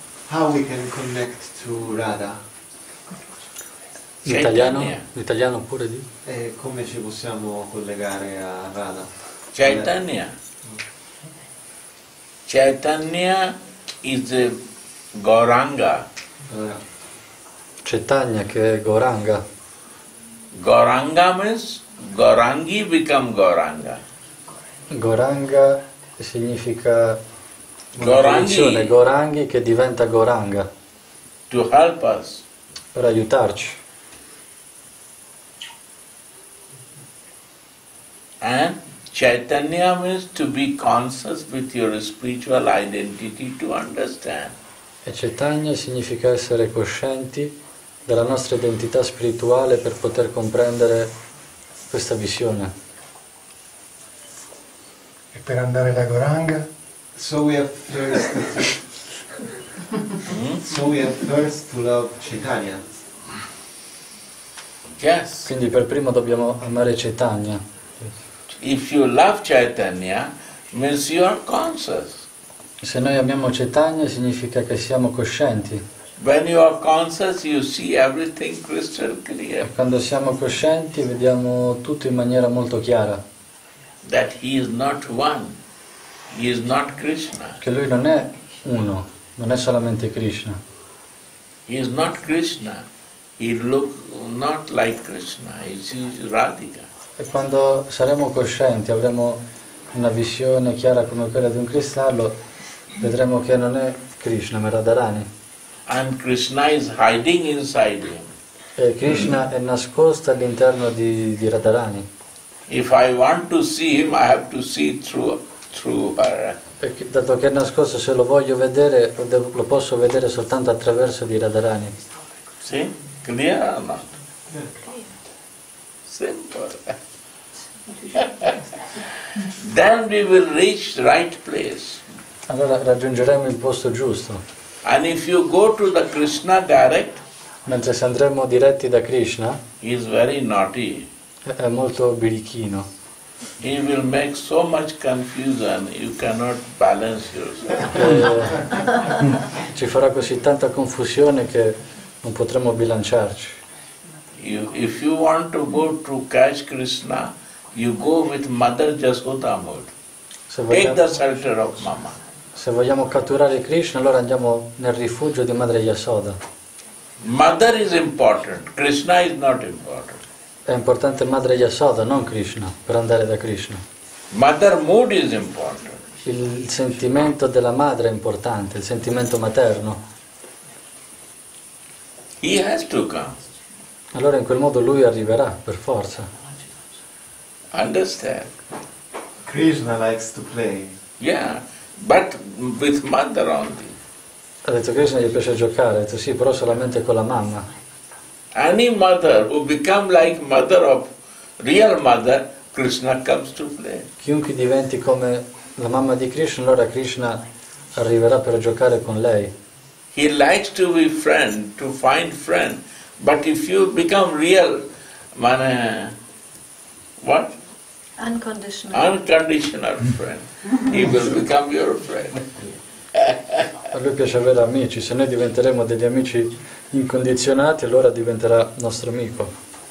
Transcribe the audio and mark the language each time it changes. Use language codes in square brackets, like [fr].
[en] How we can connect to Radha? [it] L'italiano? L'italiano pure di? E come ci possiamo collegare a Radha? Chaitanya. [en] Chaitanya is a Gauranga. [it] Chaitanya che è Gauranga. [en] Gauranga means Gaurangi become Gauranga. [it] Gauranga significa Gaurangi. Gaurangi che diventa Gauranga. [en] To help us. [it] Per aiutarci. [en] And Chaitanya means to be conscious with your spiritual identity to understand. [it] E Chaitanya significa essere coscienti della nostra identità spirituale per poter comprendere questa visione. E per andare da Gauranga? [en] So we have first to... so we have first to love Chaitanya. Yes. [it] Quindi per primo dobbiamo amare Chaitanya. [en] If you love Chaitanya, means you are conscious. [it] Se noi amiamo Chaitanya significa che siamo coscienti. [en] When you are conscious, you see everything crystal clear. [it] Quando siamo coscienti, vediamo tutto in maniera molto chiara. [en] That he is not one, he is not Krishna. [it] Che lui non è uno, non è solamente Krishna. [en] He is not Krishna. He look not like Krishna. He is Radhika. [it] E quando saremo coscienti, avremo una visione chiara come quella di un cristallo, vedremo che non è Krishna, ma Radharani. [en] And Krishna is hiding inside him. [it] E Krishna è nascosto all'interno di Radharani. [en] If I want to see him, I have to see through her. [it] Perché, dato che è nascosto, se lo voglio vedere, lo posso vedere soltanto attraverso di Radharani. Sì? [en] Clear or not? Simple. Then we will reach the right place. [it] Allora raggiungeremo il posto giusto. [en] And if you go to the Krishna direct, [it] mentre se andremo diretti da Krishna, [en] he is very naughty. [it] È molto birichino. [en] He will make so much confusion, you cannot balance yourself. [it] Ci farà così tanta confusione che non potremo bilanciarci. [en] You, if you want to go to catch Krishna, you go with Mother Yashoda mode. Take the shelter of Mama. [it] Se vogliamo catturare Krishna, allora andiamo nel rifugio di Madre Yashoda. [en] Mother is important, Krishna is not important. [it] È importante Madre Yashoda, non Krishna, per andare da Krishna. [en] Mother mood is important. [it] Il sentimento della madre è importante, il sentimento materno. [en] He has to come. [it] Allora in quel modo lui arriverà, per forza. [en] Understand. Krishna likes to play. Yeah. But with mother only. [it] Ha detto Krishna gli piace giocare, ha detto sì, però solamente con la mamma. [en] Any mother who become like mother of real mother, Krishna comes to play. [it] Chiunque diventi come la mamma di Krishna, allora Krishna arriverà per giocare con lei. [en] He likes to be friend, to find friend. But if you become real, mana, what? Unconditional friend. He will become your friend. [it] A lui piace avere amici. Se noi diventeremo degli amici incondizionati, allora diventerà nostro amico.